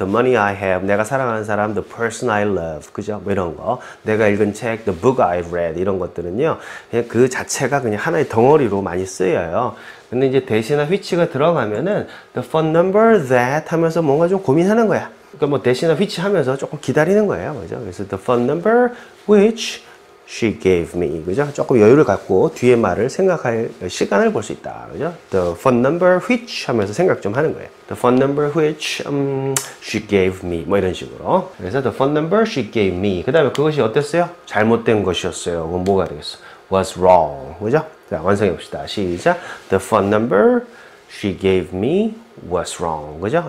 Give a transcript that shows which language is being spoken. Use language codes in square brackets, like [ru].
[en] The money I have, [ko] 내가 사랑하는 사람, [en] the person I love, [ko] 그죠? 뭐 이런 거. 내가 읽은 책, [en] the book I read, [ko] 이런 것들은요. 그냥 그 자체가 그냥 하나의 덩어리로 많이 쓰여요. 근데 이제 대시나 휘치가 들어가면은 [en] the phone number that [ko] 하면서 뭔가 좀 고민하는 거야. 그러니까 뭐 대시나 휘치 하면서 조금 기다리는 거예요. 그죠? [en] 그래서 the phone number which she gave me, [ko] 그죠? 조금 여유를 갖고 뒤에 말을 생각할 시간을 볼 수 있다, 그죠? [en] The phone number which [ko] 하면서 생각 좀 하는 거예요. [en] The phone number which she gave me, [ko] 뭐 이런 식으로. 그래서 [en] the phone number she gave me, [ko] 그 다음에 그것이 어땠어요? 잘못된 것이었어요. 그럼 뭐가 되겠어? [en] Was wrong, [ko] 그죠? 자, 완성해 봅시다. 시작. [en] The phone number she gave me was wrong, [ko] 그죠?